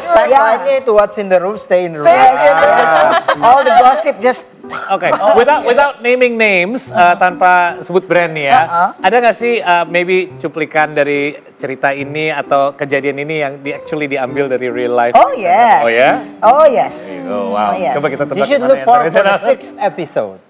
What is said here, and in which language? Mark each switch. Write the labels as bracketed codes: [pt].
[en] Tagline-nya itu what's in the room, stay in the room. All the gossip just... Okay, without naming names, [id] tanpa sebut brand nih ya, ada gak sih maybe cuplikan dari cerita ini atau kejadian ini yang actually diambil dari real life? [en] Oh yes. Oh yeah? Oh yes. Oh wow. Oh, yes. [id] Coba kita tebak. [en] You should look forward to the sixth episode.